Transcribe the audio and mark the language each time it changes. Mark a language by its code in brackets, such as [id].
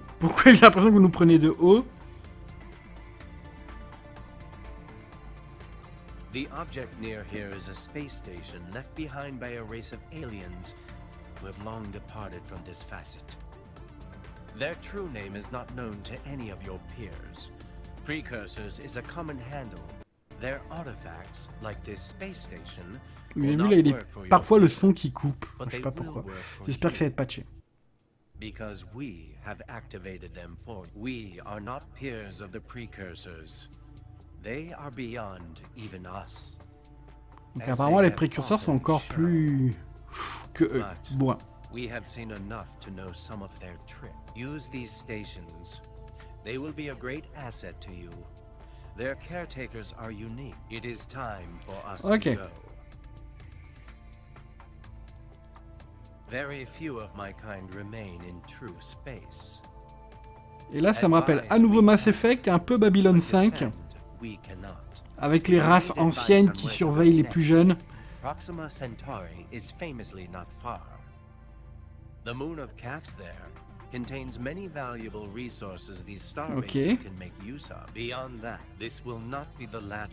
[fr] Pourquoi j'ai l'impression que vous nous prenez de haut? [en] The object near here is a space station left behind by a race of aliens who have long departed from this facet. Their true name is not known to any of your peers. Precursors is a common handle. Their artifacts, like this space station, will not work for you. [fr] Le son qui coupe. Je sais pas pourquoi. J'espère que ça va être patché. [en] Because we have activated them for you. We are not peers of the precursors. They are beyond even us. [fr] Donc apparemment les précurseurs sont encore plus que eux. Bon. [en] We have seen enough to know some of their trick. Use these stations. They will be a great asset to you. Their caretakers are unique. It is time for us okay. to go. Very few of my kind remain in true space. [fr] Et là ça me rappelle à nouveau Mass Effect et un peu Babylon 5. Avec les races anciennes qui surveillent les plus jeunes. [en] Proxima Centauri is famously not far. The moon of Cats there contains many valuable resources these star bases okay. can make use of. Beyond that, this will not be the last.